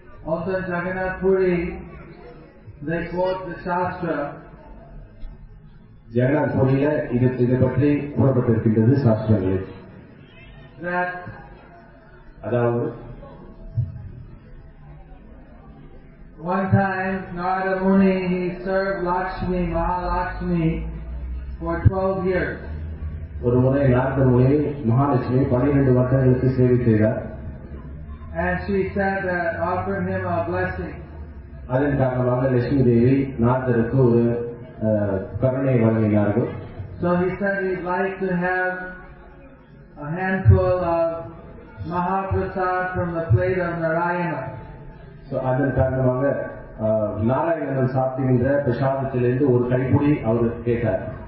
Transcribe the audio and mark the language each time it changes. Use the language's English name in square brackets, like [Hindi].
[English] Also in Jagannath Puri, they quote the Shastra. [Tamil] Jagannath புரியில இதை பற்றி கூறப்பட்டிருக்கின்றது சாஸ்திரங்களில். [English] That [Tamil] அதாவது [English] one time Narada Muni, he served Lakshmi, Mahalakshmi for 12 years. [Tamil] ஒரு முறை நாரத முனி மகாலட்சுமி 12 வருடங்களுக்கு சேவை செய்தார். [English] And she said that offered him a blessing. [Tamil] அதன் காரணமாக லட்சுமி தேவி நாரதருக்கு ஒரு கருணையை வழங்கினார்கள். [English] So he said he'd like to have a handful of Mahaprasad from the plate of Narayana. [Tamil] So அதன் காரணமாக நாராயணன் சாப்பிடுகின்ற பிரசாதத்திலிருந்து ஒரு கைப்பொடி அவர் கேட்டார்.